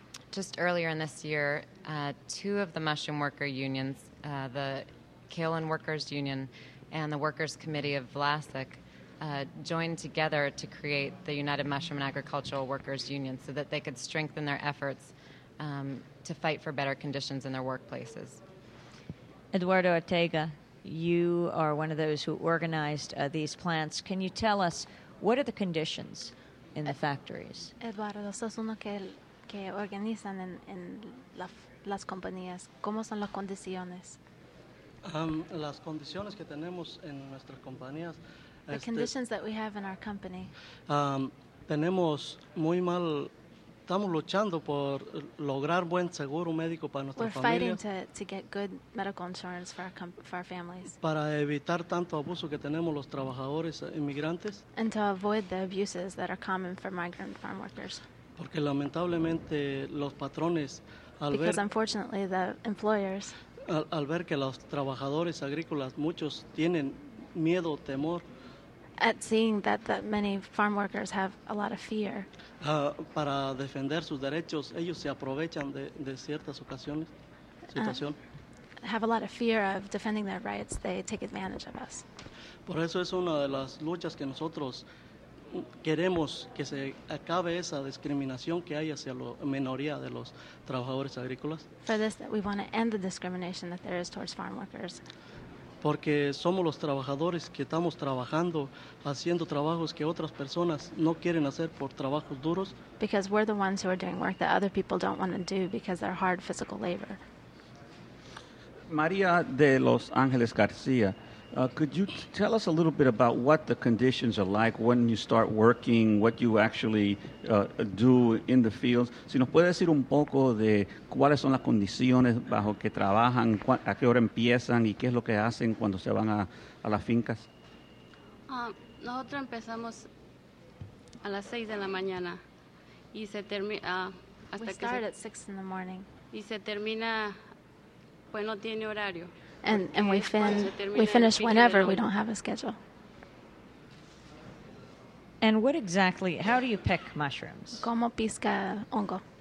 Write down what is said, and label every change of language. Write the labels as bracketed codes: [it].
[en] Just earlier in this year, two of the mushroom worker unions, the Kale and Workers Union and the Workers Committee of LASIC, joined together to create the United Mushroom and Agricultural Workers Union so that they could strengthen their efforts to fight for better conditions in their workplaces. Eduardo Ortega, you are one of those who organized these plants. Can you tell us what are the conditions in the factories? [es] Eduardo, sos uno que organizan en las compañías. ¿Cómo son las condiciones? Las condiciones que tenemos en nuestras compañías. [en] The conditions that we have in our company. [es] Tenemos muy mal. Estamos luchando por lograr buen seguro médico para nuestras familias. [en] We're fighting to get good medical insurance for our families. [es] Para evitar tanto abuso que tenemos los trabajadores inmigrantes. [en] And to avoid the abuses that are common for migrant farm workers. [es] Porque lamentablemente los patrones al ver. [en] Because unfortunately the employers. [es] Al ver que los trabajadores agrícolas muchos tienen miedo, temor. [en] At seeing that many farm workers have a lot of fear. [es] Para defender sus derechos, ellos se aprovechan de ciertas ocasiones, situación. [en] Have a lot of fear of defending their rights, they take advantage of us. [es] Por eso es una de las luchas que nosotros queremos que se acabe esa discriminación que hay hacia la minoría de los trabajadores agrícolas. [en] For this, we want to end the discrimination that there is towards farm workers. [es] Porque somos los trabajadores que estamos trabajando, haciendo trabajos que otras personas no quieren hacer por trabajos duros. [en] Because we're the ones who are doing work that other people don't want to do because they're hard physical labor. Maria de los Angeles Garcia, could you tell us a little bit about what the conditions are like when you start working, what you actually do in the fields? [es] Si nos puede decir un poco de cuáles son las condiciones bajo que trabajan, a qué hora empiezan y qué es lo que hacen cuando se van a las fincas. Nosotros empezamos a las 6 de la mañana y se termina hasta que. [en] We start at 6 in the morning. [es] Y se termina, pues no tiene horario. [en] And we finish whenever we don't have a schedule. And what exactly, how do you pick mushrooms? [es] ¿Cómo pisca hongo?